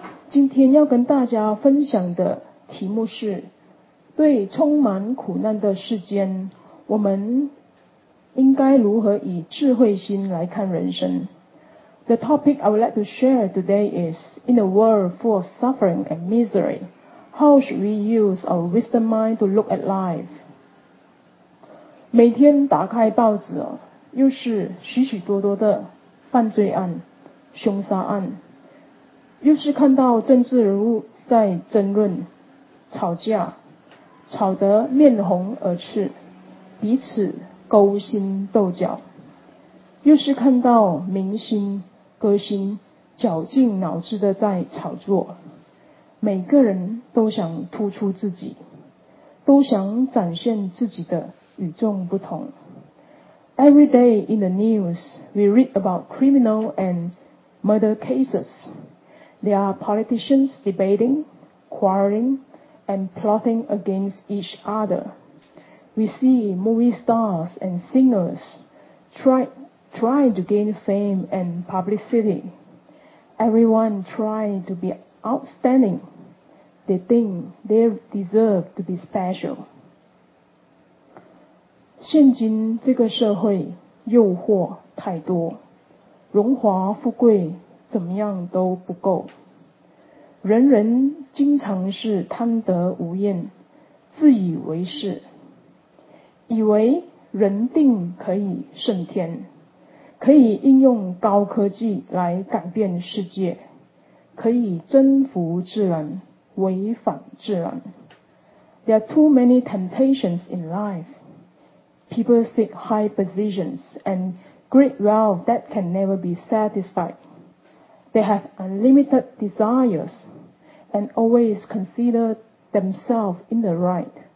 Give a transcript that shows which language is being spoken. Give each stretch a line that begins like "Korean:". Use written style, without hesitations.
Chinese: 今天要跟大家分享的题目是对充满苦难的世间，我们应该如何以智慧心来看人生。
English: The topic I would like to share today is In a world full of suffering and misery, how should we use our wisdom mind to look at life?
Chinese: 每天打开报纸，又是许许多多的犯罪案、凶杀案，又是看到政治人物在争论、吵架，吵得面红耳赤，彼此勾心斗角，又是看到明星、歌星绞尽脑汁的在炒作，每个人都想突出自己，都想展现自己的与众不同。
English: Every day in the news, we read about criminal and murder cases. There are politicians debating, quarreling, and plotting against each other. We see movie stars and singers trying to gain fame and publicity. Everyone trying to be outstanding. They think they deserve to be special.
Chinese: 现今这个社会诱惑太多，荣华富贵怎么样都不够，人人经常是贪得无厌，自以为是，以为人定可以胜天，可以应用高科技来改变世界，可以征服自然，违反自然。
English: There are too many temptations in lifePeople seek high positions and great wealth that can never be satisfied. They have unlimited desires and always consider themselves in the right.